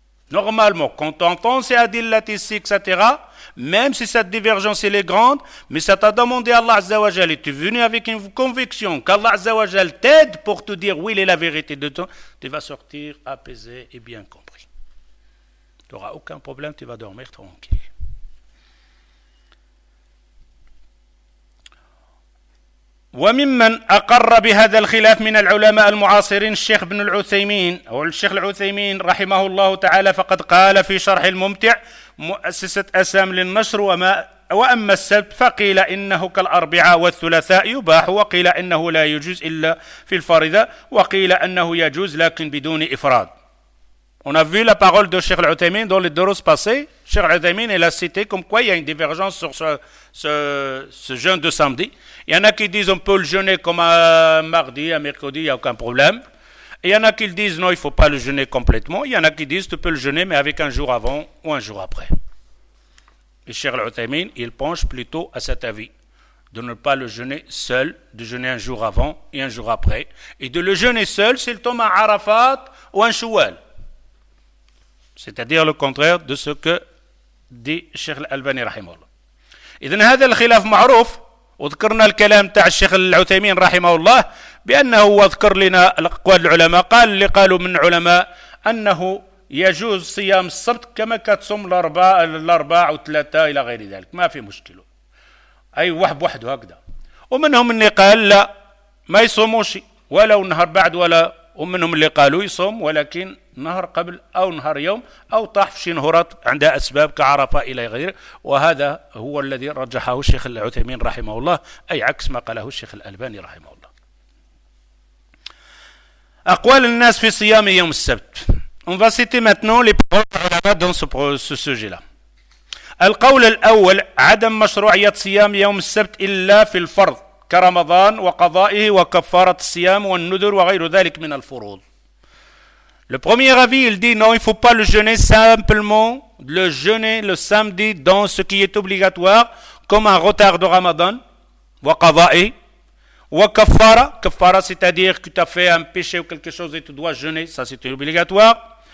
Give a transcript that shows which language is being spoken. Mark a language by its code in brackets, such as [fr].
[fr] Normalement, quand tu entends ces adillas ici, etc., même si cette divergence elle est grande, mais ça t'a demandé à Allah Azza wa Jal et tu es venu avec une conviction qu'Allah Azza wa Jal t'aide pour te dire oui, il est la vérité de toi, tu vas sortir apaisé et bien compris. Tu n'auras aucun problème, tu vas dormir tranquille. [ar] وممن أقر بهذا الخلاف من العلماء المعاصرين الشيخ ابن العثيمين أو الشيخ العثيمين رحمه الله تعالى فقد قال في شرح الممتع مؤسسة أسام للنشر وما وأما السبت فقيل إنه كالأربعاء والثلاثاء يباح وقيل إنه لا يجوز إلا في الفريضة وقيل أنه يجوز لكن بدون إفراد. [fr] On a vu la parole de Cheikh Al-Uthaymeen dans les deux passés. Cheikh Al-Uthaymeen, il a cité comme quoi il y a une divergence sur ce jeûne de samedi. Il y en a qui disent on peut le jeûner comme un mardi, un mercredi, il n'y a aucun problème. Et il y en a qui disent non, il ne faut pas le jeûner complètement. Il y en a qui disent tu peux le jeûner mais avec un jour avant ou un jour après. Et Cheikh Al-Uthaymeen, il penche plutôt à cet avis de ne pas le jeûner seul, de jeûner un jour avant et un jour après. Et de le jeûner seul s'il tombe à Arafat ou un Shawwal. C'est-à-dire le contraire de ce que dit Cheikh Al-Albani rahimahullah. [ar] إذن هذا الخلاف معروف وذكرنا الكلام تاع الشيخ العثيمين رحمه الله بأنه وذكر لنا أقوال العلماء قال اللي قالوا من علماء أنه يجوز صيام السبت كما كتصوم الأربعاء والثلاثاء إلى غير ذلك ما في مشكلة أي واحد بوحده هكذا ومنهم اللي قال لا ما يصوموش ولو نهار بعد ولا ومنهم اللي قالوا يصوم ولكن نهر قبل أو نهر يوم أو طاح في شنهرات عند أسباب كعرفة إلى غيره وهذا هو الذي رجحه الشيخ العثيمين رحمه الله أي عكس ما قاله الشيخ الألباني رحمه الله. أقوال الناس في صيام يوم السبت. [fr] On va citer maintenant les paroles dans ce sujet-là. [ar] القول الأول عدم مشروعية صيام يوم السبت إلا في الفرض كرمضان وقضائه وكفارة الصيام والنذر وغير ذلك من الفروض. [fr] Le premier avis, il dit non, il ne faut pas le jeûner simplement, le jeûner le samedi dans ce qui est obligatoire, comme un retard de Ramadan, [ar] wa qada'i, wa kafara. [fr] Kafara, c'est-à-dire que tu as fait un péché ou quelque chose et tu dois jeûner, ça c'est obligatoire.